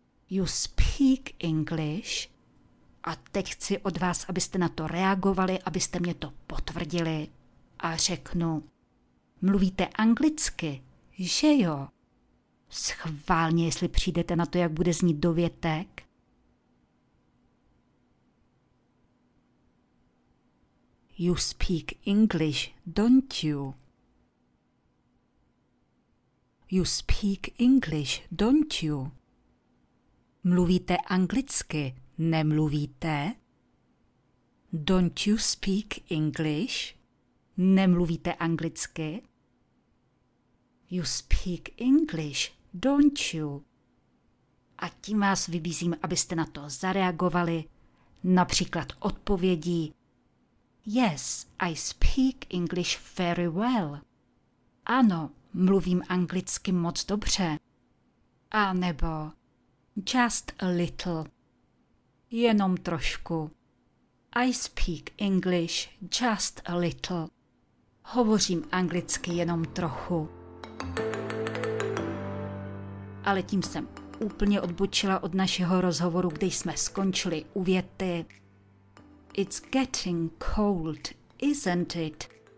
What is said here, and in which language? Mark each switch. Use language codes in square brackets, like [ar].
[en] You speak English. [cs] A teď chci od vás, abyste na to reagovali, abyste mě to potvrdili. A řeknu, mluvíte anglicky, že jo? Schválně, jestli přijdete na to, jak bude znít dovětek. [en] You speak English, don't you? You speak English, don't you? [cs] Mluvíte anglicky, nemluvíte? [en] Don't you speak English? [cs] Nemluvíte anglicky? [en] You speak English, don't you? [cs] A tím vás vybízím, abyste na to zareagovali, například odpovědí. [en] Yes, I speak English very well. [cs] Ano, mluvím anglicky moc dobře. A nebo [en] just a little. [cs] Jenom trošku. [en] I speak English just a little. [cs] Hovořím anglicky jenom trochu. Ale tím jsem úplně odbočila od našeho rozhovoru, kde jsme skončili u věty. [en] It's getting cold, isn't it?